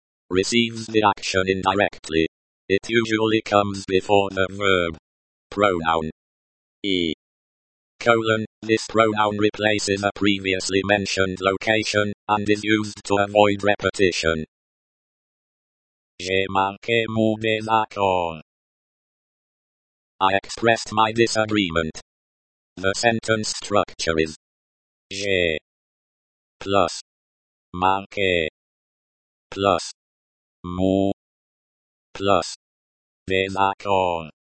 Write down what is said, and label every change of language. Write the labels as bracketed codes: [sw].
[en] Receives the action indirectly. It usually comes before the verb. Pronoun. E. Colon, this pronoun replaces a previously mentioned location and is used to avoid repetition. [fr] J'ai marqué mon désaccord. [en] I expressed my disagreement. The sentence structure is [fr] J'ai [en] plus [fr] marqué [en] plus [fr] mon [en] plus [fr] désaccord.